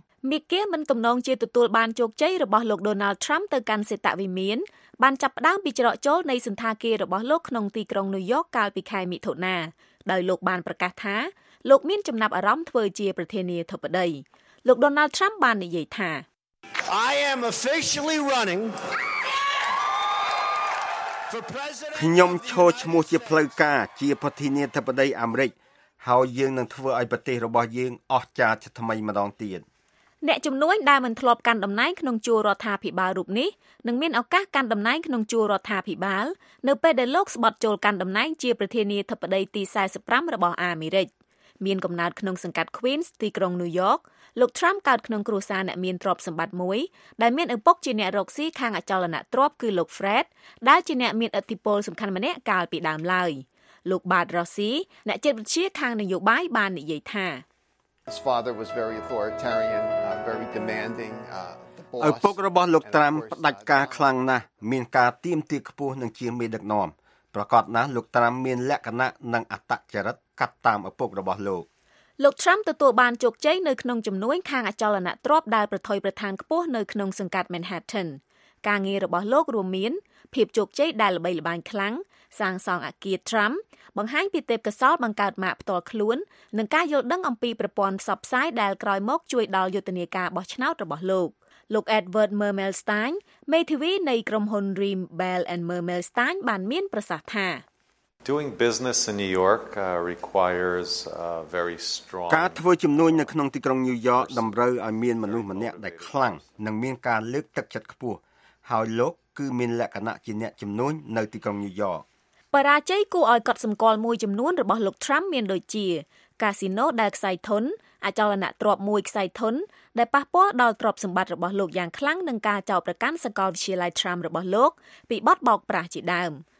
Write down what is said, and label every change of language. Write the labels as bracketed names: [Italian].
[Khmer] មីគាមិនទំនងជាទទួលបានជោគជ័យរបស់លោក Donald Trump ទៅកាន់សេតវិមានបានចាប់ផ្ដើមពីច្រកចូលនៃសន្តិការរបស់លោកក្នុងទីក្រុង New York កាលពីខែមិថុនាដោយលោកបានប្រកាសថាលោកមានចំណាប់អារម្មណ៍ធ្វើជាប្រធានាធិបតីលោក Donald Trump បាននិយាយថា [English] I am officially running [Khmer] ខ្ញុំឈរឈ្មោះជាផ្លូវការជាប្រធានាធិបតីអាមេរិក ហើយយើងនឹងធ្វើឲ្យប្រទេសរបស់យើងអស្ចារ្យជាថ្មីម្ដងទៀត អ្នកជំនួញដែលមិនធ្លាប់កាន់តំណែងក្នុងជួររដ្ឋាភិបាលរូបនេះនឹងមានឱកាសកាន់តំណែងក្នុងជួររដ្ឋាភិបាលនៅពេលដែលលោកស្បតចូលកាន់តំណែងជាប្រធានាធិបតីទី45របស់អាមេរិកមានកំណើតក្នុងសង្កាត់ Queens ទីក្រុង New York លោក Trump កើតក្នុងគ្រួសារអ្នកមានទ្រព្យសម្បត្តិមួយដែលមានឪពុកជាអ្នករកស៊ីខាងអចលនទ្រព្យគឺលោក Fred ដែលជាអ្នកមានឥទ្ធិពលសំខាន់ម្នាក់កាលពីដើមឡើយលោកបាត់រ៉ូស៊ីអ្នកចិត្តវិទ្យាខាងនយោបាយបាននិយាយថា [English] His father was very authoritarian, very demanding. [Khmer] អពុករបស់លោកត្រាំផ្ដាច់ការខ្លាំងណាស់មានការទៀមទាត់ខ្ពស់នឹងជាមេដឹកនាំប្រកបណាស់លោកត្រាំមានលក្ខណៈនិងអតចរិតកាត់តាមអពុករបស់លោក លោកត្រាំទទួលបានជោគជ័យនៅក្នុងជំនួយខាងអចលនទ្រព្យដែលប្រថុយប្រថានខ្ពស់នៅក្នុងសង្កាត់ Manhattan ការងាររបស់លោករួមមានភាពជោគជ័យដែលល្បីល្បាញខ្លាំងសាងសង់អគារត្រាំបង្ហាញពីទេពកោសល្យបង្កើតម៉ាកផ្ទាល់ខ្លួននិងការយល់ដឹងអំពីប្រព័ន្ធផ្សព្វផ្សាយដែលក្រោយមកជួយដល់យុទ្ធនាការបោះឆ្នោតរបស់លោកលោក Edward Mermelstein មេធាវីនៃក្រុមហ៊ុន Rim Bell and Mermelstein បានមានប្រសាសន៍ថា [English] Doing business in New York requires a very strong [Khmer] ការធ្វើជំនួញនៅក្នុងទីក្រុង New York តម្រូវឲ្យមានមនុស្សម្នាក់ដែលខ្លាំងនិងមានការលើកទឹកចិត្តខ្ពស់ហើយលោកគឺមានលក្ខណៈជាអ្នកជំនួញនៅទីក្រុង New York បរាជ័យគួរឲ្យកត់សម្គាល់មួយចំនួនរបស់លោកត្រាំមានដូចជាកាស៊ីណូដែលខ្សែធនអចលនទ្រព្យមួយខ្សែធនដែលប៉ះពាល់ដល់ទ្រព្យសម្បត្តិរបស់លោកយ៉ាងខ្លាំងនឹងការចោទប្រកាន់សកលវិទ្យាល័យត្រាំរបស់លោកពីបទបោកប្រាស់ជាដើម